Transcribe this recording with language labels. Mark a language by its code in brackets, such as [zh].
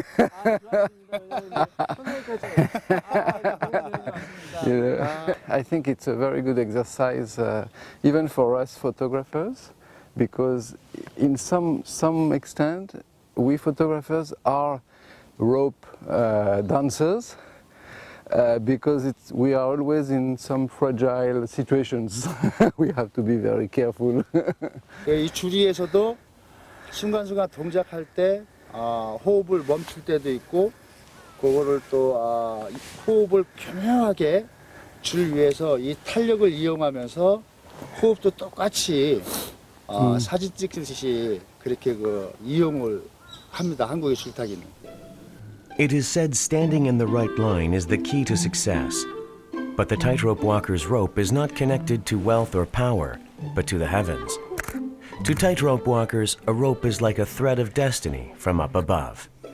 [en] You know, I think it's a very good exercise, even for us photographers, because in some extent, we photographers are rope dancers, Because it's, we are always in some fragile situations. We have to be very careful. [ko] 이 줄이에서도 순간순간 동작할 때 호흡을 멈출 때도 있고 그거를 또 호흡을 겸허하게 줄 위에서 이 탄력을 이용하면서 호흡도 똑같이 사진 찍듯이 그렇게 그 이용을 합니다. 한국의 줄타기는. [en] It is said standing in the right line is the key to success. But the tightrope walker's rope is not connected to wealth or power, but to the heavens. To tightrope walkers, a rope is like a thread of destiny from up above.